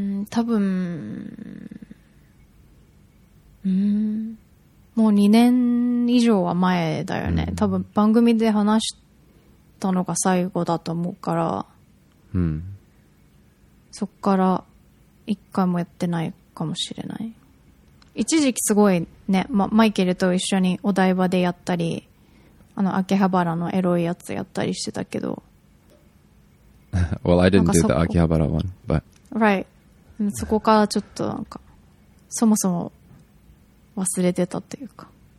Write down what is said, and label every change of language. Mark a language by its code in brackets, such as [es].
[ja] 多分もう2年以上は前だよね、うん、多分番組で話したのが最後だと思うから、うん、そっから一回もやってないかもしれない。一時期すごいね、マイケルと一緒にお台場でやったり、あの秋葉原のエロいやつやったりしてたけど。 [en] Well, I didn't do the 秋葉原 one, but [ja] right, そこからちょっとなんかそもそも忘れてたっていうか。